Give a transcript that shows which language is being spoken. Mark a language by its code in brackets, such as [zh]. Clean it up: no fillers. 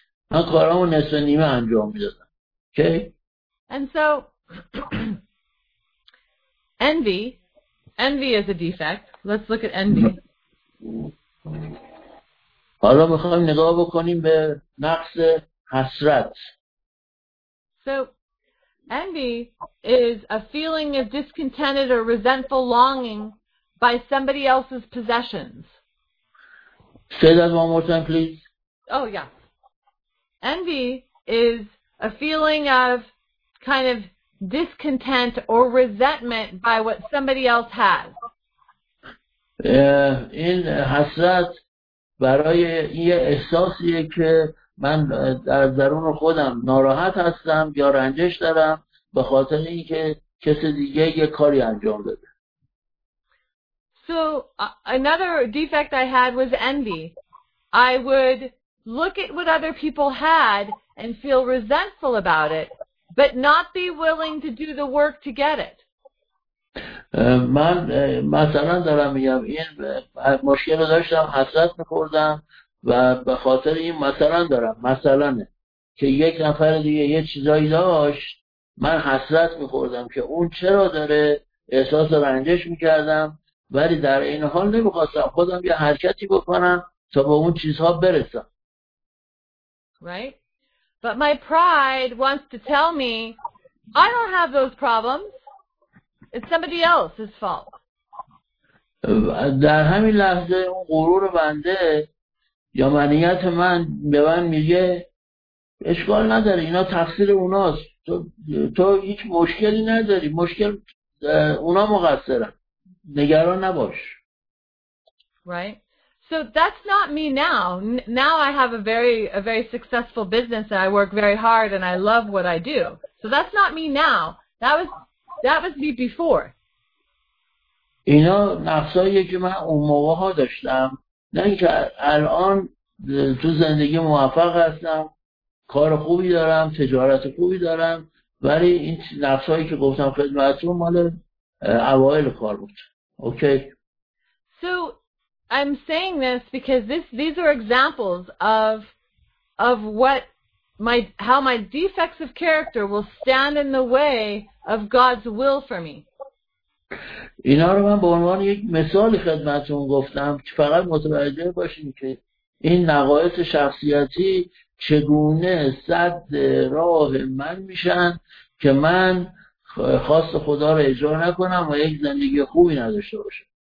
[fa] من کارامو نصف نیمه انجام میدادم. [en] Okay. And so envy is a defect. Let's look at envy. [fa] حالا می‌خوام نگاه بکنیم به نقص حسرت. [en] So envy is a feeling of discontented or resentful longing by somebody else's possessions. Say that one more time, please. Oh yeah. Envy is a feeling of kind of discontent or resentment by what somebody else has. [fa] این حسرت برای یه احساسیه که من در درون خودم ناراحت هستم یا رنجش دارم به خاطر اینکه کس دیگه یه کاری انجام داده. [en] So another defect I had was envy. I would look at what other people had and feel resentful about it, but not be willing to do the work to get it. [fa] من مثلا دارم میگم این مشکل رو داشتم حسرت میخوردم و به خاطر این مثلا دارم مثلا که یک نفر دیگه یه چیزایی داشت من حسرت میخوردم که اون چرا داره احساس رنجش میکردم ولی در این حال نمیخواستم خودم یه حرکتی بکنم تا به اون چیزها برسم. [en] Right? But my pride wants to tell me I don't have those problems. It's somebody else's fault. [fa] در همین لحظه اون غرور بنده یا منیت من به من میگه اشکال نداره اینا تقصیر اوناست. تو هیچ مشکلی نداری. مشکل اونا مقصرن. نگران نباش. [en] Right? So that's not me now. Now I have a very successful business and I work very hard and I love what I do. So that's not me now. That was me before. [fa] اینا نقصایی که من اون موقع ها داشتم، نه اینکه الان تو زندگی موفق هستم، کار خوبی دارم، تجارت خوبی دارم، ولی این نقصایی که گفتم خدمتتون مال اوایل کار بود. [en] Okay. So I'm saying this because these are examples of how my defects of character will stand in the way of God's will for me. [fa] اینا رو من به عنوان یک مثال خدمتتون گفتم که فقط متوجه باشین که این نقایص شخصیتی چگونه سد راه من میشن که من خواست خدا رو اجرا نکنم و یک زندگی خوبی نداشته باشم.